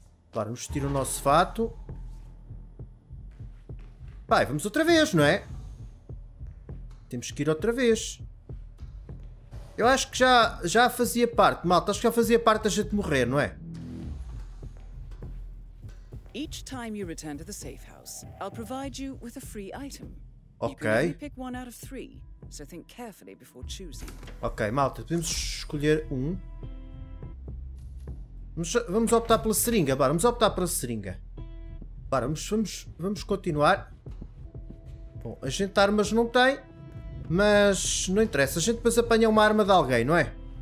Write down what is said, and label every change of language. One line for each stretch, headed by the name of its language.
Portuguese: Agora vamos tirar o nosso fato. Vai, vamos outra vez, não é? Temos que ir outra vez. Eu acho que já fazia parte, malta, acho que já fazia parte da gente morrer, não é?
English: Each time you return to the safe house, I'll provide you with a free item. Ok. You can only pick one out of three, so think carefully before choosing.
Portuguese: Ok, malta, podemos escolher um. Vamos optar pela seringa, bora, vamos optar pela seringa. Bora, vamos continuar. Bom, a gente armas não tem. Mas não interessa, a gente depois apanha uma arma de alguém, não é?